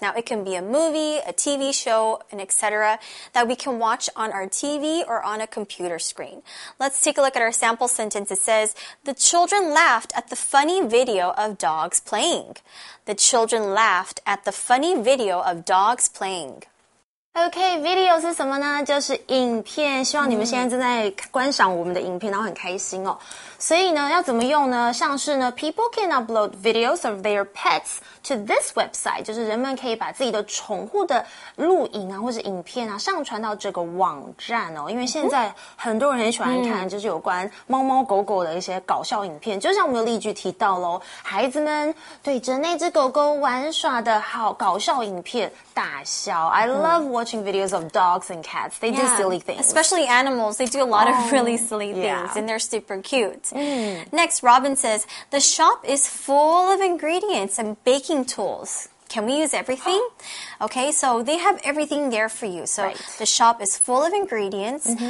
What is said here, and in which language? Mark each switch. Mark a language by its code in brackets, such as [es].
[en] Now it can be a movie, a TV show, and etc. that we can watch on our TV or on a computer screen. Let's take a look at our sample sentence. It says, the children laughed at the funny video of dogs playing. The children laughed at the funny video of dogs playing. [zh] Okay, video 是什么呢？就是影片，希望你们现在正在观赏我们的影片，然后很开心哦。所以呢，要怎么用呢？像是呢 , [en] people can upload videos of their pets to this website, [zh] 就是人们可以把自己的宠物的录影啊或者影片啊上传到这个网站哦。因为现在很多人很喜欢看就是有关猫猫狗狗的一些搞笑影片，就像我们的例句提到咯，孩子们对着那只狗狗玩耍的好搞笑影片大笑。 [en] I love watching videos of dogs and cats. They do silly things. Especially animals, they do a lot of really silly things and they're super cute. Next, Robin says, the shop is full of ingredients and baking tools. Can we use everything? Okay, so they have everything there for you. So the shop is full of ingredients.